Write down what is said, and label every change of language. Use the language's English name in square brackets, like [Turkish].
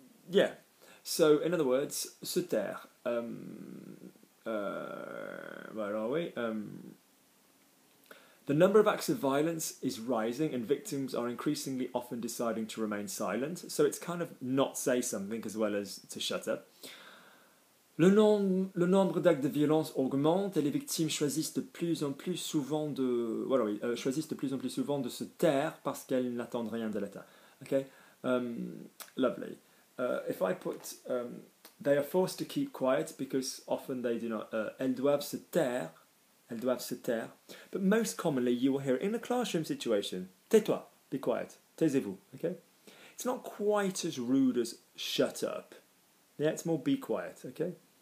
[English] Yeah. So in other words, se taire. Where are we? The number of acts of violence is rising and victims are increasingly often deciding to remain silent. So it's kind of not say something as well as to shut up. [French] Le nombre d'actes de violence augmente et les victimes choisissent de plus en plus souvent de... Voilà, oui, choisissent de plus en plus souvent de se taire parce qu'elles n'attendent rien de l'État. [English] Okay? Lovely. If I put... they are forced to keep quiet because often they do not... [French] elles doivent se taire. [English] Elles doivent se taire. But most commonly you will hear in a classroom situation, tais-toi, be quiet, taisez-vous. Okay? It's not quite as rude as shut up. Yeah, it's more be quiet, okay?